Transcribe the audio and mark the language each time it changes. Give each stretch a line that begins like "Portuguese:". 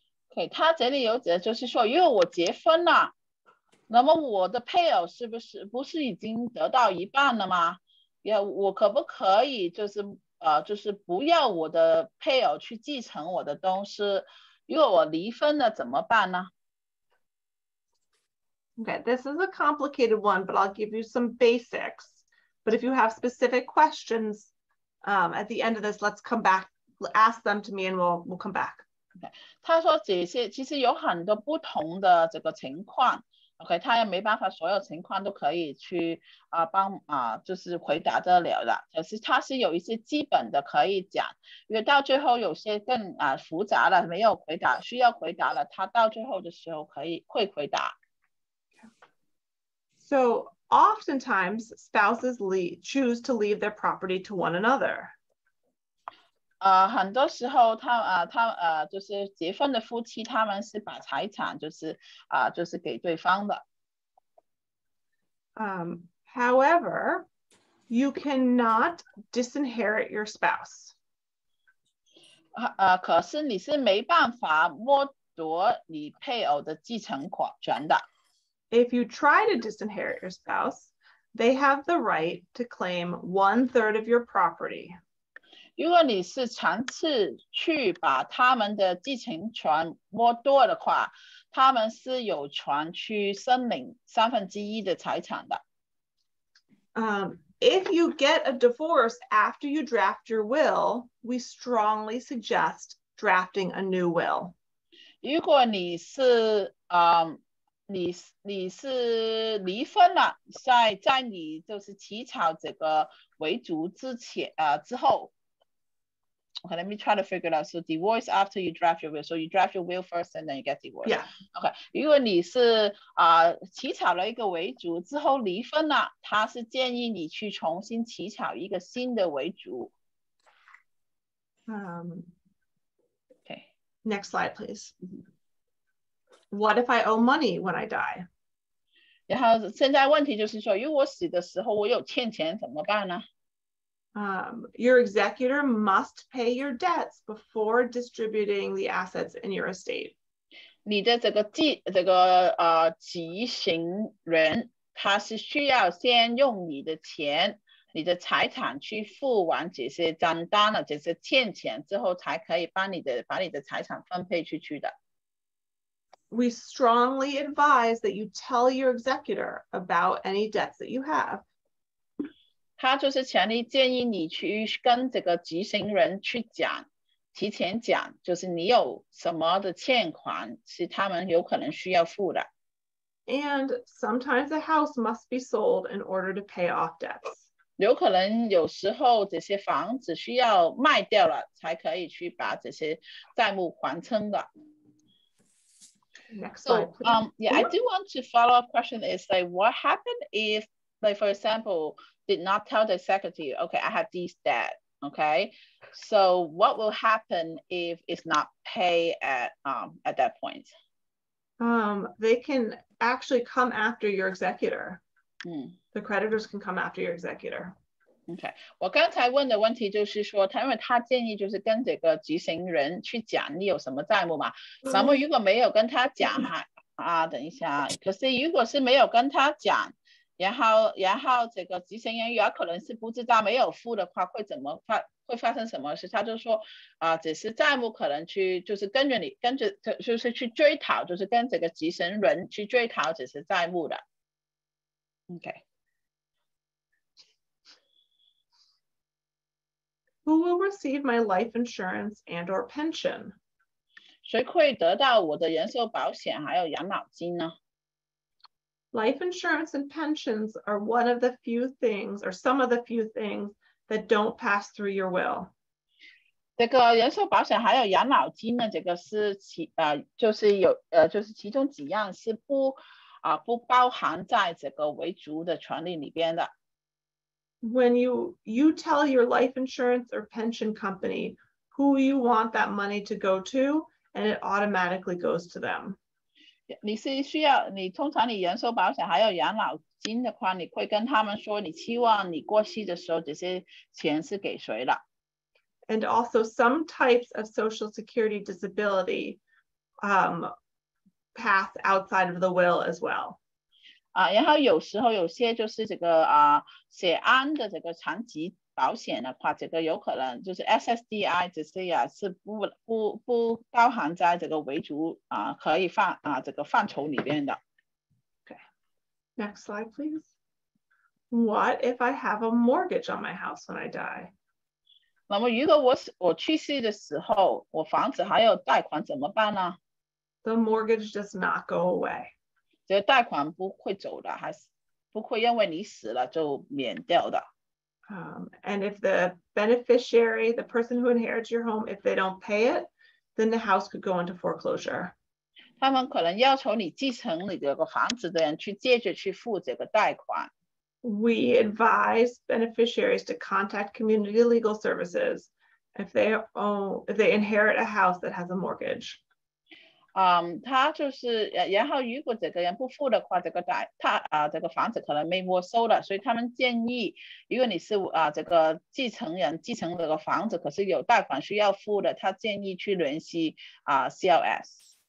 Chinese: Okay, 他这里有解，就是说，因为我结婚了，那么我的配偶是不是不是已经得到一半了吗？也我可不可以就是就是不要我的配偶去继承我的东西？如果我离婚了怎么办呢？
English: Okay, this is a complicated one, but I'll give you some basics. But if you have specific questions, at the end of this, let's come back, ask them to me and we'll come back. Okay.
Chinese: 他说这些其实有很多不同的这个情况。 OK, 他也没办法所有情况都可以去帮就是回答得了的。可是他是有一些基本的可以讲，因为到最后有些更复杂的没有回答需要回答了，他到最后的时候可以会回答。
English: So oftentimes spouses choose to leave their property to one another.
Chinese: 很多时候他就是结婚的夫妻，他们是把财产就是给对方的。
English: However, you cannot disinherit your spouse.
Chinese: 可是你是没办法剥夺你配偶的继承权的。
English: If you try to disinherit your spouse, they have the right to claim 1/3 of your property.
Chinese: 如果你是尝试去把他们的继承权剥夺的话，他们是有权去申领三分之一的财产的。
English: If you get a divorce after you draft your will, we strongly suggest drafting a new will.
Chinese: 如果你是你是离婚了，在你就是起草这个遗嘱之前之后 ，
English: Okay, let me try to figure it out. So divorce after you draft your will. So you draft your will first, and then you get divorced. Yeah. Okay.
Chinese: 如果你是起草了一个遗嘱之后离婚了，他是建议你去重新起草一个新的遗嘱。
English: Okay. Next slide, please. What if I owe money when I die?
Chinese: 然后现在问题就是说，如果我死的时候我有欠钱怎么办呢？
English: Your executor must pay your debts before distributing the assets in your estate.
Chinese: 你的继行人他是需要先用你的钱，你的财产去付完这些账单了，这些欠钱之后才可以把你的财产分配出去的。
English: We strongly advise that you tell your executor about any debts that you have.
Chinese: 他就是强烈建议你去跟这个执行人去讲，提前讲，就是你有什么的欠款是他们有可能需要付的。
English: And sometimes a house must be sold in order to pay off debts.
Chinese: 有可能有时候这些房子需要卖掉了，才可以去把这些债务还清的。
English: Next so, slide, please. Yeah, I do want to follow up question is like, what happened if, like, for example, did not tell the secretary, okay, I have these debt, okay? So what will happen if it's not paid at that point? They can actually come after your executor. The creditors can come after your executor.
Chinese: Okay, 我刚才问的问题就是说，因为他建议就是跟这个执行人去讲你有什么债务嘛。那么如果没有跟他讲等一下，可是如果是没有跟他讲，然后这个执行人有可能是不知道没有付的话，会怎么会发生什么事？他就说只是债务可能去就是跟着你跟着就是去追讨，就是跟这个执行人去追讨只是债务的。
English: Okay. Who will receive my life insurance and or pension?
Chinese: 谁会得到我的人寿保险还有养老金呢？
English: Life insurance and pensions are one of the few things or some of the few things that don't pass through your will.
Chinese: 这个人寿保险还有养老金呢，这个是就是其中几样是不包含在这个遗嘱的权利里边的。
English: When you tell your life insurance or pension company who you want that money to go to, and it automatically goes to them.
Chinese: 你是需要你通常你人寿保险还有养老金的话，你会跟他们说你希望你过世的时候这些钱是给谁的。
English: And also some types of social security disability pass outside of the will as well.
Chinese: 然后有时候有些就是这个血安的这个残疾保险的话，这个有可能就是 SSDI 这些啊是不包含在这个维族可以放这个范畴里面的。
English: Next slide, please. What if I have a mortgage on my house when I die?
Chinese: 那么如果我去世的时候，我房子还有贷款怎么办呢？
English: The mortgage does not go away.
Chinese: 这个贷款不会走的，还是不会因为你死了就免掉的。
English: And if the beneficiary, the person who inherits your home, if they don't pay it, then the house could go into foreclosure.
Chinese: 他们可能要求你继承你这个房子的人去借着去付这个贷款。
English: We advise beneficiaries to contact community legal services if they inherit a house that has a mortgage.
Chinese: 他就是，然后如果这个人不付的话，这个贷他这个房子可能没没收了，所以他们建议，如果你是这个继承人继承这个房子，可是有贷款需要付的，他建议去联系CLS。